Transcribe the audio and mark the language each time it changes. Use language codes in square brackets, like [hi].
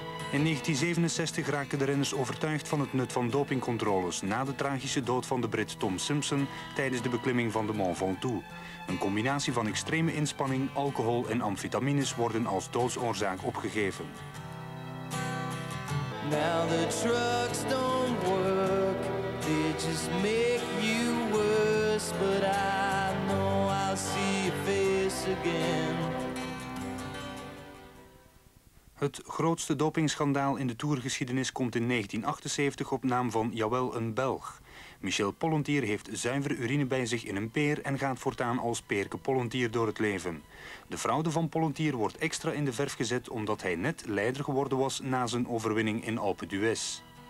[nl] In 1967 raakten de renners overtuigd van het nut van dopingcontroles na de tragische dood van de Brit Tom Simpson tijdens de beklimming van de Mont Ventoux. Een combinatie van extreme inspanning, alcohol en amfetamines worden als doodsoorzaak opgegeven. [en] Now the trucks don't work, they just make you worse, but I know I'll see your face again. [nl] Het grootste dopingschandaal in de toergeschiedenis komt in 1978 op naam van Jawel, een Belg. Michel Pollentier heeft zuivere urine bij zich in een peer en gaat voortaan als Peerke Pollentier door het leven. De fraude van Pollentier wordt extra in de verf gezet omdat hij net leider geworden was na zijn overwinning in Alpe d'Huez.